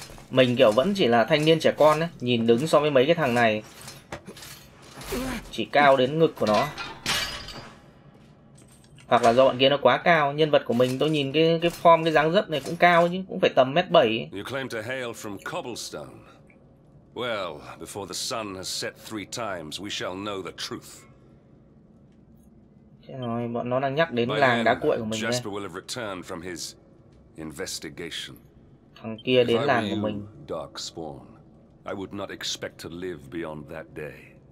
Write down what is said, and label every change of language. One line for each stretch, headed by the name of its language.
Vietnamese: Mình kiểu vẫn chỉ là thanh niên trẻ con ấy, nhìn đứng so với mấy cái thằng này chỉ cao đến ngực của nó. Hoặc là do bọn kia nó quá cao. Nhân vật của mình tôi nhìn cái form, cái dáng dấp này cũng cao chứ, cũng phải tầm 1m7.
English: You claim to hail from Cobblestone. Well, before the sun has set three times, we shall know the truth.
Vietnamese: Rồi, bọn nó đang nhắc đến làng đá cuội của mình đây.
English: Jasper will have returned from his investigation.
Vietnamese: Thằng kia đến làng của mình.
English: Darkspawn, I would not expect to live beyond that day.